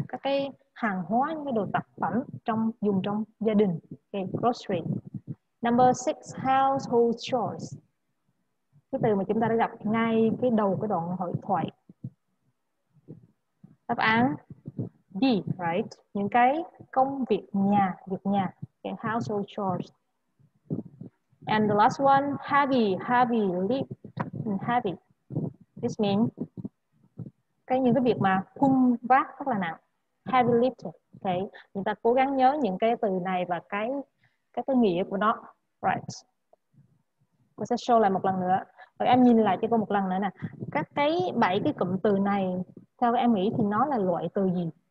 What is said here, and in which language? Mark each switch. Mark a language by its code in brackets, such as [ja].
[vi] Các cái hàng hóa, những cái đồ tạp phẩm trong dùng trong gia đình. Okay, grocery. [en] Number 6, household chores. [vi] Cái từ mà chúng ta đã gặp ngay cái đầu cái đoạn hội thoại. Đáp án D, right? Những cái công việc nhà, việc nhà. [en] Okay, household chores. And the last one, heavy, heavy, lift and heavy. This means [vi] cái những cái việc mà khung vác rất là nặng. [en] Heavy lifting. Okay. [vi] Chúng ta cố gắng nhớ những cái từ này và cái nghĩa của nó. Right. Cô sẽ show lại một lần nữa. Rồi em nhìn lại cho cô một lần nữa nè. Các cái bảy cái cụm từ này, theo em nghĩ thì nó là loại từ gì?